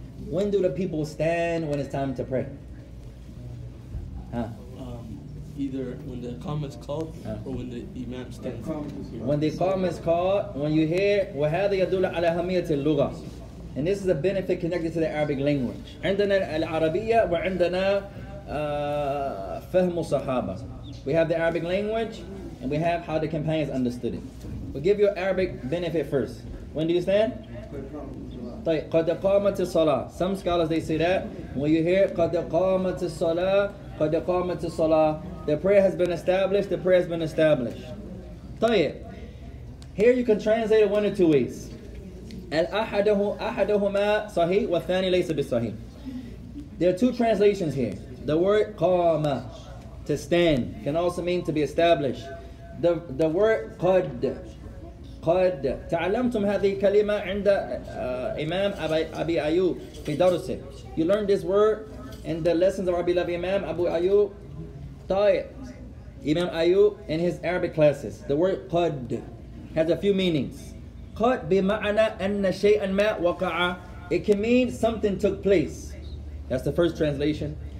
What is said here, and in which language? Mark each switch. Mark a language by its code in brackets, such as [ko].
[en] When do the people stand when it's time to pray? Huh? Either when the iqama is called or when the imam stands. When the iqama is called, when you hear [ar] وهذا يدل على أهمية اللغة. [en] And this is a benefit connected to the Arabic language. [ar] عندنا العربية وعندنا فهم الصحابة. [en] We have the Arabic language and we have how the companions understood it. We'll give you Arabic benefit first. When do you stand? [ar] طيب قد قامت الصلاة. [en] Some scholars they say that when you hear [ar] قد قامت الصلاة, قد قامت الصلاة, [en] the prayer has been established. The prayer has been established. [ar] طيب [en] here you can translate it one or two ways. [ar] الأحدهما صحيح والثاني ليس بالصحيح. [en] There are two translations here. The word قام, to stand, can also mean to be established. [ar] The word قد, قد تعلمتم هذه الكلمة عند إمام أبي أيوب في درسه. [en] You learned this word in the lessons of our beloved Imam Abu Ayyub. [ar] طيب [en] Imam Ayyub in his Arabic classes. The word قد has a few meanings. [ar] قد بمعنى أن شيئا ما وقع. [en] It can mean something took place. That's the first translation.